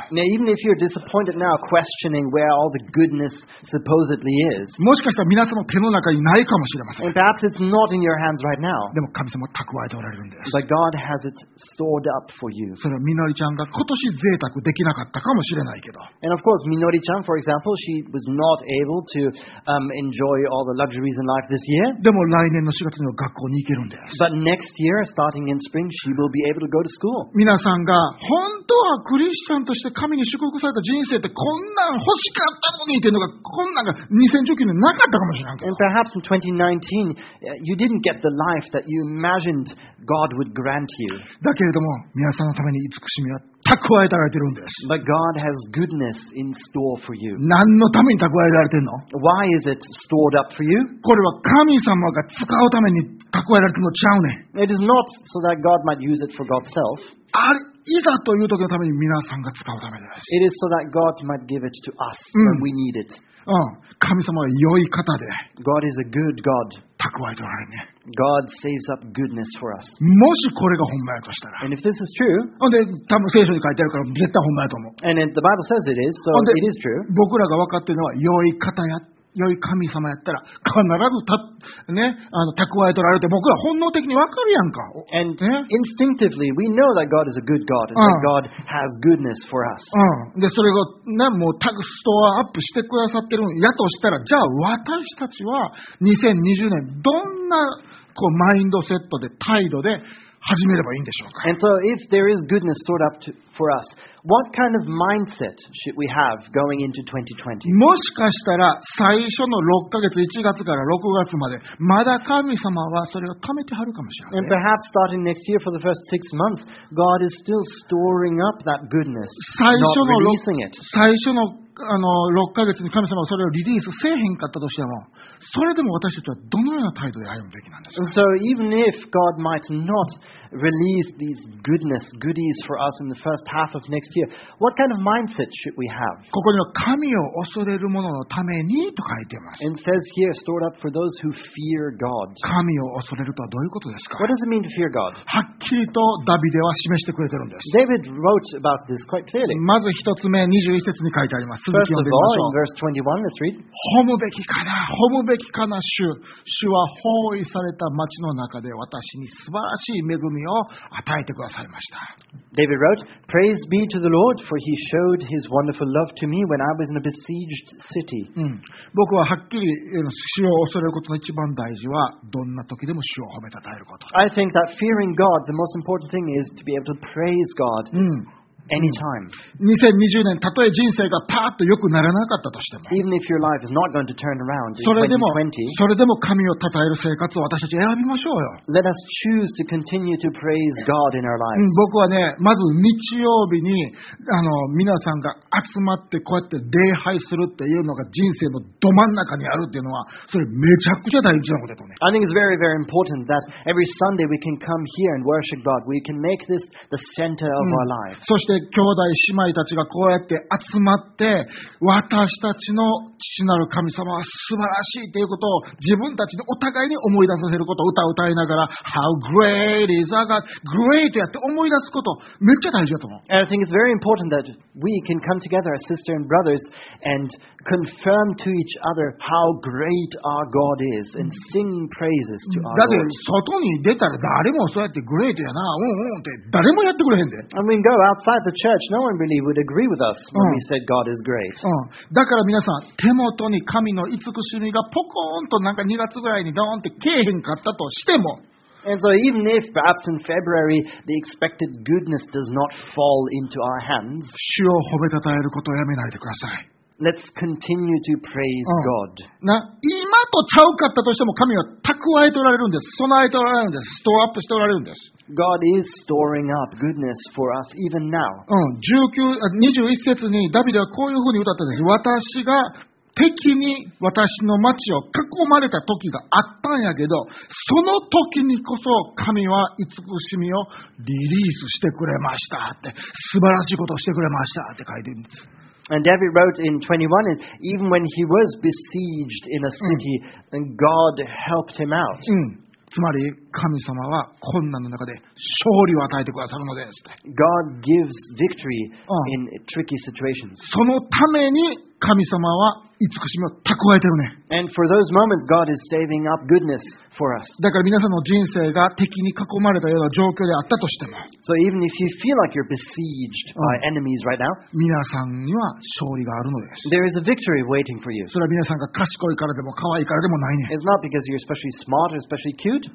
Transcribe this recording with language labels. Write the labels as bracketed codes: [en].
[en] Now, even if you're disappointed now, questioning where all the goodness supposedly is, [ja] もしかしたら皆さんの手の中にないかもしれません。 [en] And perhaps it's not in your hands right now. [ja] でも神様は蓄えておられるんです。 [en] But God has it stored up for you. [ja] それはみのりちゃんが今年贅沢できなかったかもしれないけど。 [en] And of course, みのりちゃん, for example, she was not able to enjoy all the luxuries in life this year. [ja] でも来年の4月には学校に行けるんです。 [en] But next year, starting in spring, she will be able to go to school. [ja] 皆さんが本当はクリスチャンとして神に祝福された人生ってこんなん欲しかったのにっていうのがこんなんが2019年なかったかもしれないけど。 [en] And perhaps in 2019, you didn't get the life that you imagined God would grant you. [ja] だけれども、皆さんのために慈しみは蓄えられてるんです。 [en] But God has goodness in store for you. [ja] 何のために蓄えられてるの？ [en] Why is it stored up for you? [ja] これは神様が使うために蓄えられてるのちゃうね。 [en] It is not so that God might use it for God's self. [ja] あれいざという時のために皆さんが使うためです。 [en] It is so that God might give it to us when we need it. [ja] 神様は良い方で。 [en] God is a good God. [ja] 蓄えておられるね。 [en] God saves up goodness for us. [ja] もしこれが本命としたら。 [en] And if this is true. [ja] ほんで、多分聖書に書いてあるから絶対本命と思う。 [en] And the Bible says it is, so it is true. [ja] 僕らが分かっているのは良い方や。良い神様やったら必ずた、ね、蓄えとられて僕は本能的に分かるやんか。 [en] And instinctively, we know that God is a good God and that God has goodness for us. [ja] で、それを、ね、もうタグストアアップしてくださってるんやとしたら、じゃあ私たちは2020年どんなこうマインドセットで態度で始めればいいんでしょうか。 [en] And so if there is goodness stored up for us,What kind of mindset should we have going into 2020? [ja] もしかしたら最初の6ヶ月、1月から6月まで、まだ神様はそれを貯めてはるかもしれない。 [en] And perhaps starting next year for the first 6 months, God is still storing up that goodness, not releasing it. [ja] 最初の、6ヶ月に神様はそれをリリースせえへんかったとしても、それでも私たちはどのような態度で歩むべきなんですか? [en] So even if God might not release these goodness, goodies for us in the first half of next year, what kind of mindset should we have? [ja] ここには神を恐れる者のためにと書いてます。 [en] And says here, stored up for those who fear God. [ja] 神を恐れるとはどういうことですか? [en] What does it mean to fear God? [ja] はっきりとダビデは示してくれてるんです。 [en] David wrote about this quite clearly. [ja] まず一つ目、21節に書いてあります。続きを読みましょう。 [en] First of all, in verse 21, let's read. [ja] 褒むべきかな、褒むべきかな主。主は包囲された町の中で私に素晴らしい恵みを与えてくださいました。 [en] David wrote, Praise be to the Lord, for he showed his wonderful love to me when I was in a besieged city. [ja] 僕ははっきり主を恐れることの一番大事はどんな時でも主を褒めたたえること。 [en] I think that fearing God, the most important thing is to be able to praise God anytime. [ja] 2020年たとえ人生がパーッと良くならなかったとしても [en] even if your life is not going to turn around in 2020, [ja] それでも神を称える生活を私たち選びましょうよ。 [en] Let us choose to continue to praise God in our lives. [ja] 僕はね、まず日曜日に皆さんが集まってこうやって礼拝するっていうのが人生のど真ん中にあるっていうのはそれめちゃくちゃ大事なことだとね。 [en] I think it's very very important that every Sunday we can come here and worship God. We can make this the center of our life. [ja] そして兄弟姉妹たちがこうやって集まって私たちの父なる神様は素晴らしいということを自分たちでお互いに思い出させることを歌を歌いながら [en] How great is our God? Great! [ja] やって思い出すことめっちゃ大事だと思う。 [en] I think it's very important that we can come together as sisters and brothers and confirm to each other how great our God is and sing praises to our God. [ja] だって外に出たら誰もそうやって Great やな、うんうんって誰もやってくれへんで。 [en] I mean, go outside the church, no one really would agree with us when we said God is great. [ja] だから皆さん、手元に神の慈しみがポコーンとなんか2月ぐらいにドーンって来えへんかったとしても。 [en] And so even if perhaps in February the expected goodness does not fall into our hands, [ja] 主を褒めたたえることをやめないでください。 [en] Let's continue to praise God. [ja] な、今とちゃうかったとしても神は蓄えておられるんです。備えておられるんです。ストアップしておられるんです。 [en] God is storing up goodness for us even now. [ja] 21節にダビデはこういうふうに歌ったんです。私が敵に私の町を囲まれた時があったんやけど、その時にこそ神は慈しみをリリースしてくれましたって、素晴らしいことをしてくれましたって書いてるんです。 [en] And David wrote in 21, even when he was besieged in a city, God helped him out. [ja] つまり神様は困難の中で勝利を与えてくださるのです。 [en] God gives victory in tricky situations. [ja] そのために神様は慈しみを蓄えてるね。 [en] And for those moments, God is saving up goodness for us. [ja] だから皆さんの人生が敵に囲まれたような状況であったとしても、 [en] So even if you feel like you're besieged by enemies right now, [ja] 皆さんには勝利があるのです。 [en] There is a victory waiting for you. [ja] それは皆さんが賢いからでも可愛いからでもないね。 [en] It's not because you're especially smart or especially cute.